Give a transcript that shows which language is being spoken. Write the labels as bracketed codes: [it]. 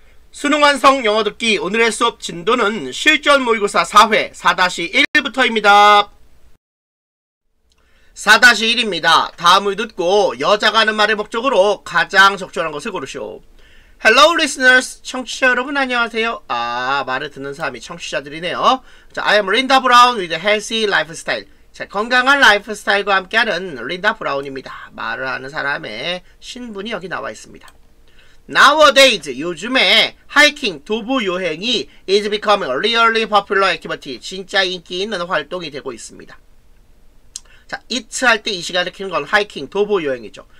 [ko] 수능 완성 영어 듣기 오늘의 수업 진도는 실전 모의고사 4회 4-1부터입니다. 4-1입니다. 다음을 듣고 여자가 하는 말의 목적으로 가장 적절한 것을 고르시오. [en] Hello, listeners. [ko] 청취자 여러분, 안녕하세요. 아, 말을 듣는 사람이 청취자들이네요. [en] 자, I am Linda Brown with a healthy lifestyle. [ko] 자, 건강한 라이프스타일과 함께하는 Linda Brown입니다. 말을 하는 사람의 신분이 여기 나와 있습니다. [en] Nowadays, [ko] 요즘에 하이킹, 도보 여행이 [en] is becoming a really popular activity. [ko] 진짜 인기 있는 활동이 되고 있습니다. 자, it's 할 때 이 시간을 켜는 건 하이킹, 도보 여행이죠.